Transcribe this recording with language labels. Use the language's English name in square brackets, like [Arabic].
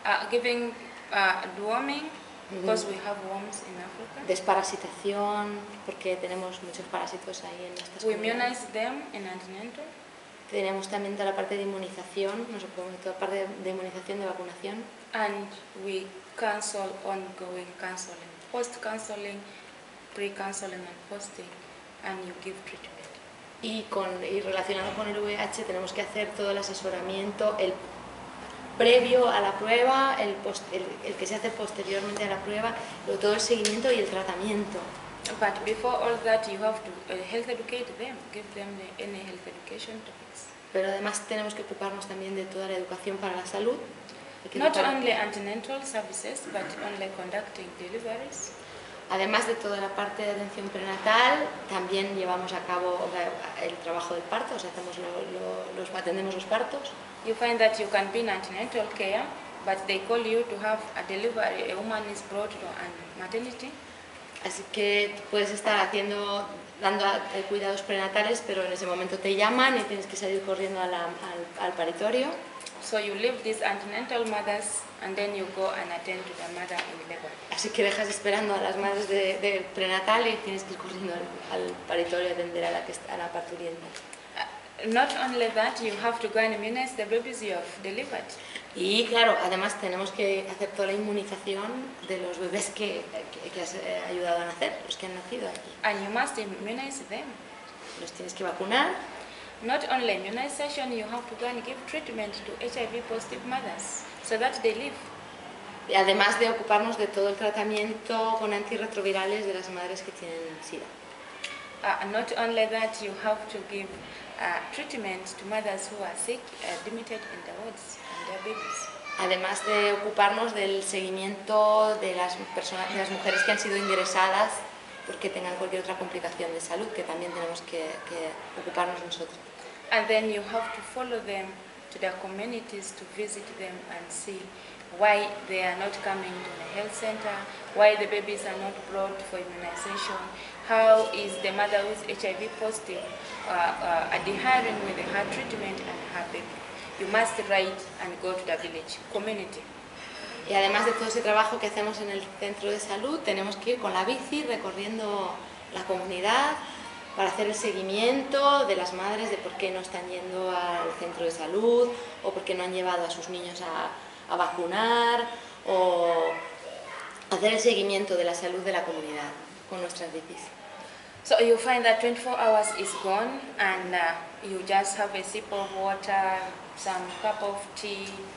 [English] Giving deworming. Because we have worms in Africa. [Spanish] Desparasitación, porque tenemos muchos parásitos ahí en estas comunidades. [English] We immunize them in antenatal. [Spanish] Tenemos también toda la parte de inmunización, nos ocupamos de toda la parte de inmunización, de vacunación. [English] And we counsel ongoing counseling, post counseling, pre counseling and posting, and you give treatment. [Spanish] Y relacionado con el VIH, tenemos que hacer todo el asesoramiento, el previo a la prueba, el que se hace posteriormente a la prueba, todo el seguimiento y el tratamiento. [English] But before all that, you have to health educate them, give them any health education topics. [Spanish] Pero además tenemos que ocuparnos también de toda la educación para la salud. [English] Not only antenatal services, but only conducting deliveries. [Spanish] Además de toda la parte de atención prenatal, también llevamos a cabo el trabajo del parto, o sea, atendemos los partos. [English] You find that you can be in antenatal care, but they call you to have a delivery. A woman is brought to a maternity. [Spanish] Así que puedes estar dando cuidados prenatales, pero en ese momento te llaman y tienes que salir corriendo al paritorio. [English] So you leave these antenatal mothers, and then you go and attend to the mother in labor. [Spanish] Así que dejas esperando a las madres de prenatal y tienes que ir corriendo al paritorio a atender a la parturienta. [English] Not only that, you have to go and immunize the babies you have delivered. [Spanish] Y claro, además tenemos que hacer toda la inmunización de los bebés que has ayudado a nacer, los que han nacido aquí. [English] And you must immunize them. [Spanish] los tienes que vacunar. [English] Not only immunization, you have to go and give treatment to HIV positive mothers so that they live. [Spanish] Y además de ocuparnos de todo el tratamiento con antirretrovirales de las madres que tienen SIDA. [English] Not only that, you have to give treatment to mothers who are sick, limited in the wards and their babies. [Spanish] Además de ocuparnos del seguimiento de las personas, de las mujeres que han sido ingresadas porque tengan cualquier otra complicación de salud, que también tenemos que ocuparnos nosotros. [English] And then you have to follow them to their communities to visit them and see why they are not coming to the health center, why the babies are not brought for immunization, how is the mother who is HIV positive adhering with her treatment and her baby. You must write and go to the village community. [Spanish] Y además de todo ese trabajo que hacemos en el centro de salud, tenemos que ir con la bici recorriendo la comunidad para hacer el seguimiento de las madres de por qué no están yendo al centro de salud o por qué no han llevado a sus niños a vacunar o hacer el seguimiento de la salud de la comunidad con nuestras bicis. [English] So you find that 24 hours is gone and you just have a sip of water, some cup of tea.